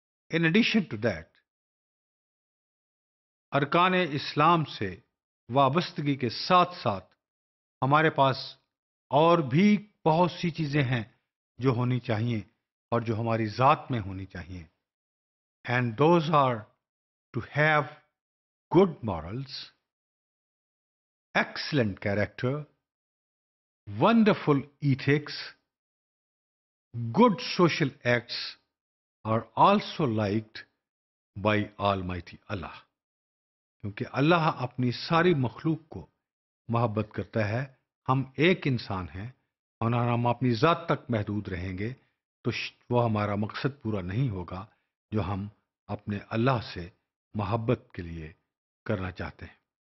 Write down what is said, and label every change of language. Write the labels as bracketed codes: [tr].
[en] In addition to that, [ur] ارکان اسلام سے وابستگی کے ساتھ ساتھ ہمارے پاس اور بھی بہت سی چیزیں ہیں جو ہونی چاہیے اور جو ہماری ذات میں ہونی چاہیے. [en] And those are to have good morals, excellent character, wonderful ethics, good social acts are also liked by Almighty Allah. [ur] کیونکہ اللہ اپنی ساری مخلوق کو محبت کرتا ہے, ہم ایک انسان ہیں اور ہم اپنی ذات تک محدود رہیں گے تو وہ ہمارا مقصد پورا نہیں ہوگا جو ہم اپنے اللہ سے محبت کے لیے کرنا چاہتے ہیں.